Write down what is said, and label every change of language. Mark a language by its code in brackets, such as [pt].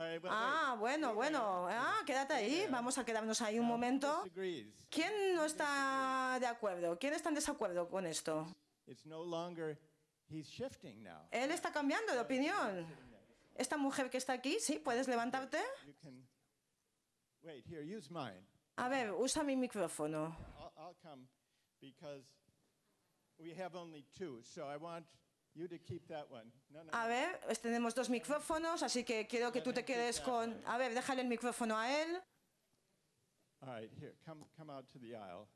[es] Ah, bueno, bueno. Ah, quédate ahí. Vamos a quedarnos ahí un momento. ¿Quién no está de acuerdo? ¿Quién está en desacuerdo con esto? Él está cambiando de opinión. Esta mujer que está aquí, sí, ¿puedes levantarte? [en] Wait, here, use mine. [es] A ver, usa mi micrófono. [en] I'll come because we have only two, so I want you to keep that one. No. [es] A ver, tenemos dos micrófonos, así que quiero que tú te quedes con. A ver, déjale el micrófono a él. [en] All right, here, come out to the aisle.